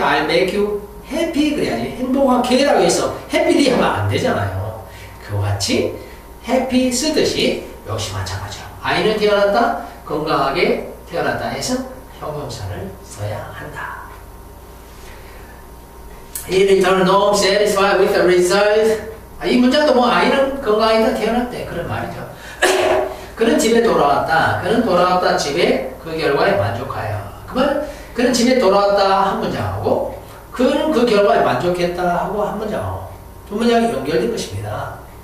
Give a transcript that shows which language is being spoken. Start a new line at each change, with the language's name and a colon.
English: I'll make you happy.
Korean: 그래야지. 행복하게라고 해서 happy 하면 안 되잖아요. 그와 같이 happy 쓰듯이 역시 마찬가지죠. 아이는 태어났다, 건강하게 태어났다 해서 형용사를 써야 한다.
English: He returned home satisfied with the result.
Korean: 이 문장도 뭐 아이는 건강하게 태어났대. 그런 말이죠. 그는 집에 돌아왔다. 그는 돌아왔다 집에 그 결과에 만족하여. 그말 그는 집에 돌아왔다 한 문장하고 그는 그 결과에 만족했다 하고 한 문장하고 두 문장이 연결된 것입니다.